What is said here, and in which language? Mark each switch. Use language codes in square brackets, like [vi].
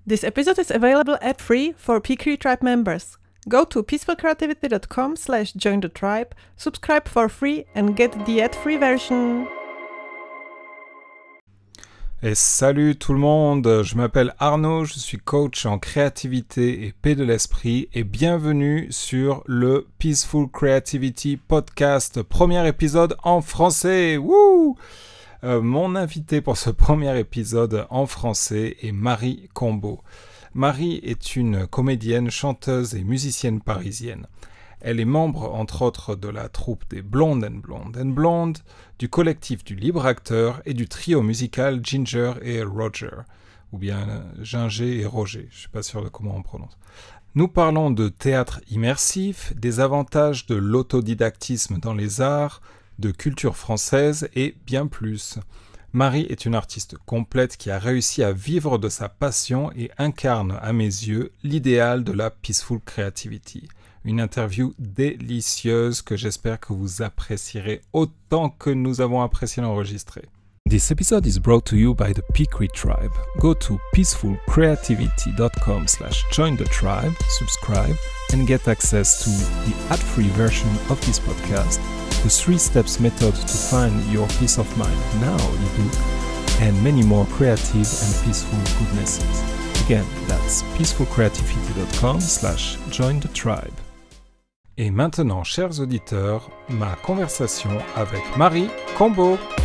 [en] This episode is available ad-free for PeakCree Tribe members. Go to peacefulcreativity.com/join the tribe, subscribe for free, and get the ad-free version. [fr] Et salut tout le monde, je m'appelle Arnaud, je suis coach en créativité et paix de l'esprit et bienvenue sur le Peaceful Creativity Podcast, premier épisode en français. Wouh! Mon invité pour ce premier épisode en français est Marie Combo. Marie est une comédienne, chanteuse et musicienne parisienne. Elle est membre, entre autres, de la troupe des Blondes and Blondes and Blondes, du collectif du Libre Acteur et du trio musical Ginger et Roger, ou bien Ginger et Roger, je ne suis pas sûr de comment on prononce. Nous parlons de théâtre immersif, des avantages de l'autodidactisme dans les arts, de culture française et bien plus. Marie est une artiste complète qui a réussi à vivre de sa passion et incarne, à mes yeux, l'idéal de la Peaceful Creativity. Une interview délicieuse que j'espère que vous apprécierez autant que nous avons apprécié l'enregistrer. [en] This episode is brought to you by the PeakCree Tribe. Go to peacefulcreativity.com/join the tribe, subscribe, and get access to the ad-free version of this podcast, the 3 steps method to find your peace of mind now ebook, and many more creative and peaceful goodnesses. Again, that's peacefulcreativity.com/join the tribe. [fr] Et maintenant, chers auditeurs, ma conversation avec Marie Combo.